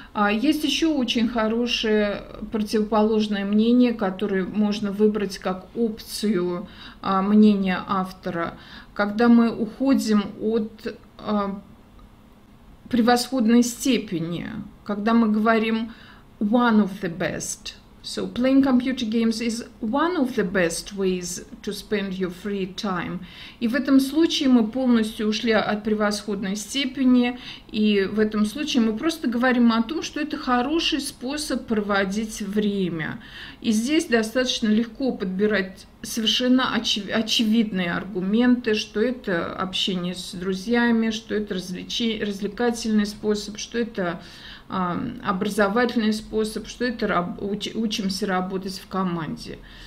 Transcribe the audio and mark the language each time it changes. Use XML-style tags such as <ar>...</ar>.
<ru>Есть еще очень хорошее противоположное мнение, которое можно выбрать как опцию мнения автора. Когда мы уходим от превосходной степени, когда мы говорим</ru> <en>one of the best. So playing computer games is one of the best ways to spend your free time.</en> <ru>И в этом случае мы полностью ушли от превосходной степени, и в этом случае мы просто говорим о том, что это хороший способ проводить время. И здесь достаточно легко подбирать совершенно очевидные аргументы, что это общение с друзьями, что это развлекательный способ, что это образовательный способ, что это учимся работать в команде.</ru>